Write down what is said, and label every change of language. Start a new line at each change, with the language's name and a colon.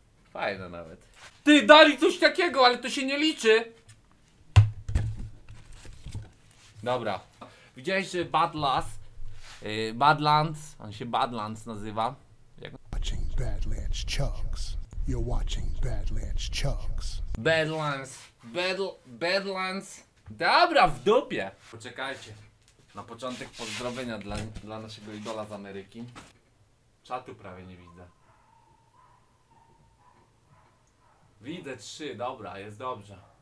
Polish: Fajna nawet. Ty, dali coś takiego, ale to się nie liczy. Dobra. Widziałeś, że Badlands, on się Badlands nazywa.
English: Watching Badlands Chucks. You're watching Badlands Chucks.
Polish: Badlands. Dobra, w dupie. Poczekajcie. Na początek pozdrowienia dla naszego idola z Ameryki. Czatu prawie nie widzę. Widzę 3, dobra, jest dobrze.